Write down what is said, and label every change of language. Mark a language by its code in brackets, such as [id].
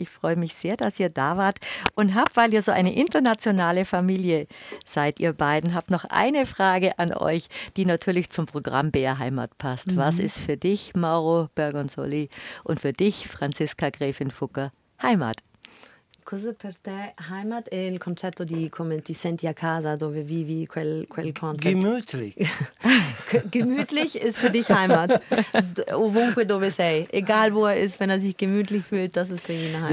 [de] Ich freue mich sehr, dass ihr da wart und habt, weil ihr so eine internationale Familie seid, ihr beiden, habt noch eine Frage an euch, die natürlich zum Programm BR Heimat passt. Mhm. Was ist für dich, Mauro Bergonzoli, und für dich, Franziska Gräfin Fucker, Heimat? [it] Cosa per te Heimat è il concetto di come ti senti a casa, dove vivi, quel concept? [de] Gemütlich. Gemütlich ist für dich Heimat. [it] Ovunque dove sei. [de] Egal wo er ist, wenn er sich gemütlich fühlt, das ist für ihn Heimat.